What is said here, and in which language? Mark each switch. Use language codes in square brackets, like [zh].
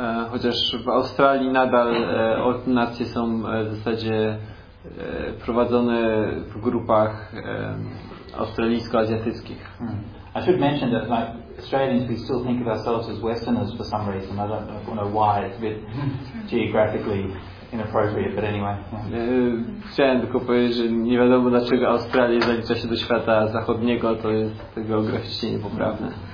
[pl] Chociaż w Australii nadal ordynacje są w zasadzie prowadzone w grupach australijsko-azjatyckich. [en] I should mention that, like, Australians, we still think of ourselves as Westerners for some reason. I don't know why. It's a bit geographically inappropriate, but anyway. [pl] Chciałem tylko powiedzieć, że nie wiadomo dlaczego Australia zalicza się do świata zachodniego, to jest geograficznie niepoprawne.